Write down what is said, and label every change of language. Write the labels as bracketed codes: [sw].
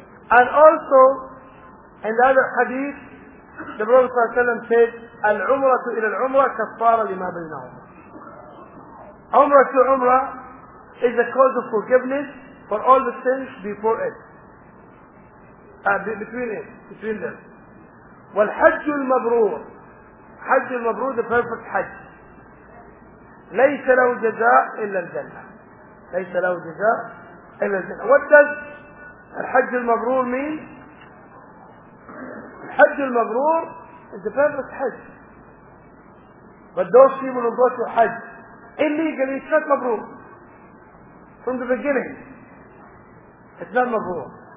[en] And also in the other hadith the Prophet said Al-Umrah to Al-Umrah [ar] kaffara lima baynahuma. [en] Umrah to Umrah is the cause of forgiveness for all the sins before it, between them. [ar] والحج المبرور, حج المبرور, [en] the perfect [ar] حج, ليس له جزاء إلا الجنة, ليس له جزاء إلا الجنة. [en] What does الحج المبرور mean? الحج المبرور is the perfect حج. But those people who go to حج illegally, it's not مبرور from the beginning. It's not mabrur.